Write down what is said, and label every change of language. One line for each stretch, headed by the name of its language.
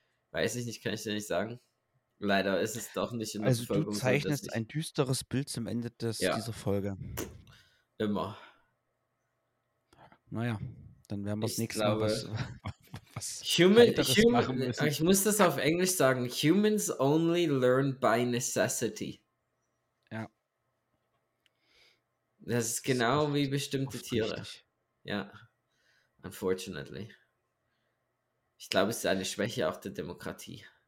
German: Weiß ich nicht, kann ich dir nicht sagen. Leider ist es doch nicht in der Bevölkerung. Also du zeichnest ein düsteres Bild zum Ende dieser Folge. Immer. Naja, dann werden wir das nächste Mal machen. Ich muss das auf Englisch sagen.
English: Humans only learn by necessity.
German: Ja. Das ist genau das ist wie bestimmte Tiere. Richtig. Ja.
English: Unfortunately.
German: Ich glaube, es ist eine Schwäche auch der Demokratie.